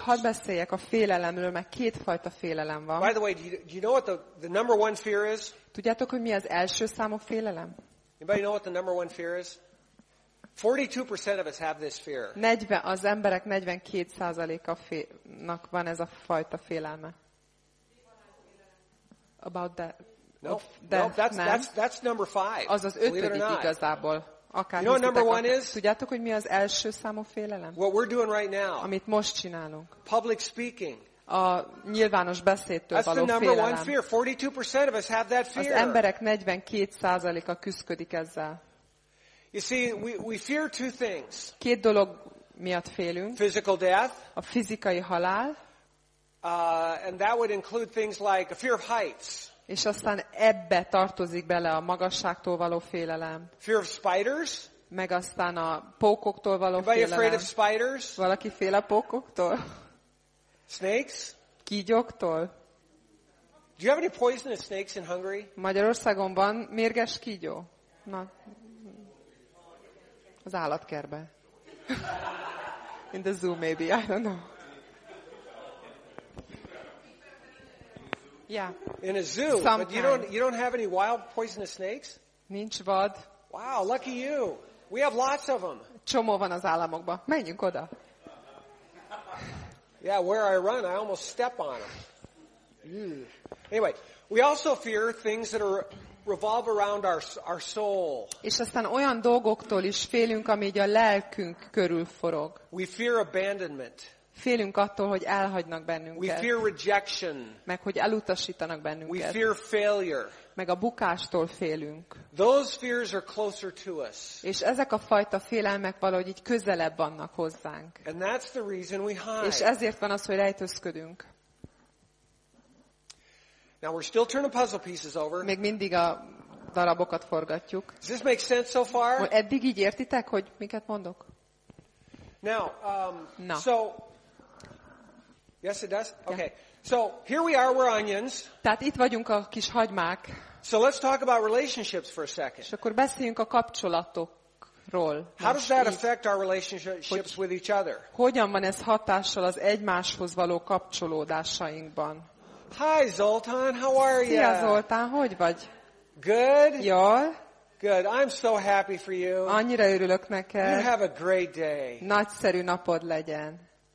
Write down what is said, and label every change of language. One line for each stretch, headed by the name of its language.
Hungarian: Hadd beszéljek a félelemről, mert kétfajta félelem van.
English: By the way, do you know what the number one fear is?
Hungarian: Tudjátok, hogy mi az első számú félelem?
English: Anybody know what the number one fear is? 42% of us have this fear.
Hungarian: Az emberek 42%-nak van ez a fajta félelme.
English: About that. That's number five.
Hungarian: Az ötödik igazából. Akár
English: you know what number one is?
Hungarian: Tudjátok, hogy mi az első számú félelem?
English: What we're doing right now.
Hungarian: Amit most csinálunk.
English: Public speaking.
Hungarian: A nyilvános beszédtől való félelem.
English: That's the number one fear. 42% of us have that fear.
Hungarian: Az emberek 42%-a küszködik ezzel.
English: You see, we fear two things.
Hungarian: Két dolog miatt félünk.
English: Physical death.
Hungarian: A fizikai halál.
English: And that would include things like a fear of heights.
Hungarian: És aztán ebbe tartozik bele a magasságtól való félelem.
English: Fear of spiders.
Hungarian: Meg aztán a pókoktól való
English: Anybody
Hungarian: félelem.
English: Afraid of spiders?
Hungarian: Valaki fél a pókoktól?
English: Snakes?
Hungarian: Kígyóktól?
English: Do you have any poisonous snakes in Hungary?
Hungarian: Magyarországon van mérges kígyó. Na. Az állatkertben.
English: In the zoo maybe, I don't know. Yeah. In a zoo, sometimes. But you don't have any wild poisonous snakes?
Hungarian: Nincs vad.
English: Wow, lucky you. We have lots of them.
Hungarian: Csomó van az államokban. Menjünk oda.
English: Yeah, where I run, I almost step on them. Anyway, we also fear things that are revolve around our soul.
Hungarian: És aztán olyan dolgoktól is félünk, ami így a lelkünk körül forog.
English: We fear abandonment.
Hungarian: Félünk attól, hogy elhagynak bennünket.
English: We fear rejection.
Hungarian: Meg hogy elutasítanak bennünket.
English: We fear failure.
Hungarian: Meg a bukástól félünk.
English: Those fears are closer to us.
Hungarian: És ezek a fajta félelmek valahogy így közelebb vannak hozzánk.
English: And that's the reason we hide.
Hungarian: És ezért van az, hogy rejtőzködünk.
English: Now we're still turning puzzle pieces over.
Hungarian: Még mindig a darabokat forgatjuk.
English: Does this make sense so far?
Hungarian: Eddig így értitek, hogy miket mondok?
English: Now, so yes, it does. Okay. So here we are, we're onions.
Hungarian: Tehát itt vagyunk a kis hagymák.
English: So let's talk about relationships for a second.
Hungarian: És akkor beszéljünk a kapcsolatokról.
English: How does that affect our relationships with each other?
Hungarian: Hogyan van ez hatással az egymáshoz való kapcsolódásainkban?
English: Hi Zoltán, how are you?
Hungarian: Szia Zoltán, hogy vagy?
English: Good.
Hungarian: Jól.
English: Good. I'm so happy for you.
Hungarian: Annyira örülök neked.
English: You have a great day.
Hungarian: Nagyszerű napod legyen.